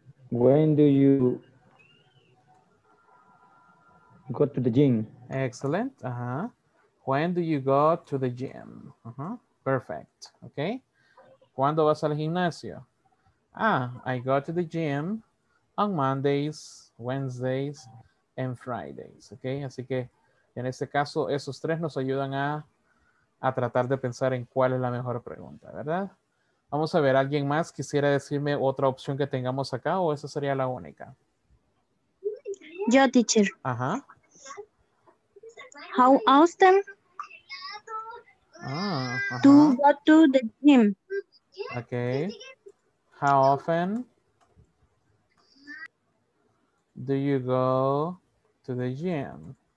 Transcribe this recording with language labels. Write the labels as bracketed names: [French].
[English] When do you go to the gym? Excellent. Uh-huh. When do you go to the gym? Uh-huh. Perfect. Okay. [Spanish] ¿Cuándo vas al gimnasio? [English] Ah, I go to the gym on Mondays, Wednesdays, and Fridays, ¿ok? [Spanish] Así que, en este caso, esos tres nos ayudan a tratar de pensar en cuál es la mejor pregunta, ¿verdad? Vamos a ver, ¿alguien más quisiera decirme otra opción que tengamos acá o esa sería la única? Yo Yo, teacher. Ajá. [English] How often do you go to the gym? Okay. How often do you go to the gym?